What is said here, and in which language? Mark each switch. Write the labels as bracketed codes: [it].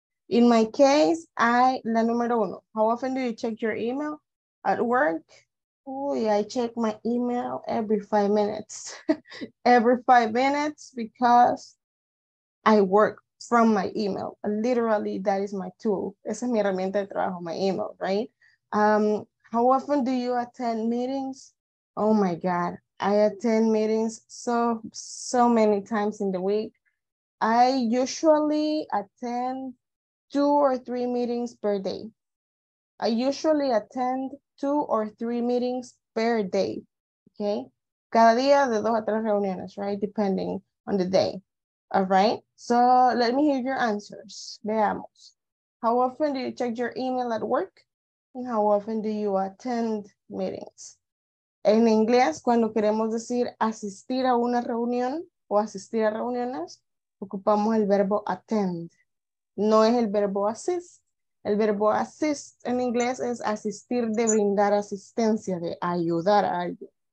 [en] In my case, [es] la número uno. [en] How often do you check your email at work? Uy, I check my email every 5 minutes. Every 5 minutes because I work from my email. Literally, that is my tool. [es] Esa es mi herramienta de trabajo, [en] my email, [es] right? [en] How often do you attend meetings? Oh my God, I attend meetings so many times in the week. I usually attend 2 or 3 meetings per day. I usually attend 2 or 3 meetings per day, okay? [es] Cada día de 2 a 3 reuniones, right? [en] Depending on the day. All right, so let me hear your answers. Veamos. How often do you check your email at work? And how often do you attend meetings? [es] En inglés, cuando queremos decir asistir a una reunión o asistir a reuniones, ocupamos el verbo attend. No es el verbo assist. El verbo assist en inglés es asistir, de brindar asistencia, de ayudar a alguien.